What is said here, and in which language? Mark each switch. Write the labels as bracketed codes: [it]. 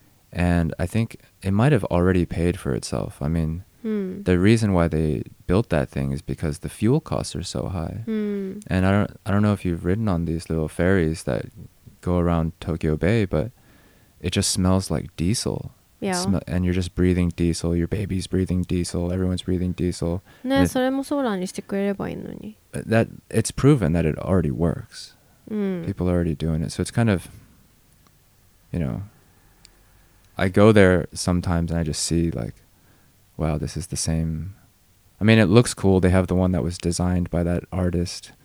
[en] And I think it might have already paid for itself. I mean, the reason why they built that thing is because the fuel costs are so high. And I don't know if you've ridden on these little ferries that go around Tokyo Bay, but it just smells like diesel. Yeah. And you're just breathing diesel. Your baby's breathing diesel. Everyone's breathing diesel. [ja] ね、それもソーラーにしてくれればいいのに。 [en] That, it's proven that it already works. People are already doing it. So it's kind of, you know, I go there sometimes and I just see like, wow, this is the same. I mean, it looks cool. They have the one that was designed by that artist.